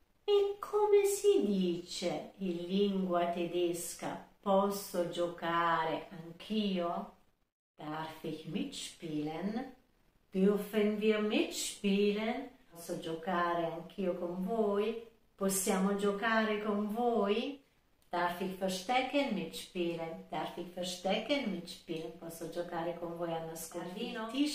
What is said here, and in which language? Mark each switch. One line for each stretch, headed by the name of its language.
Italian: E come si dice in lingua tedesca? Posso giocare anch'io?
German: Darf ich mitspielen? Dürfen wir mitspielen?
Italian: Posso giocare anch'io con voi? Possiamo giocare con voi?
German: Darf ich verstecken mitspielen?
Italian: Posso giocare con voi a nascondino?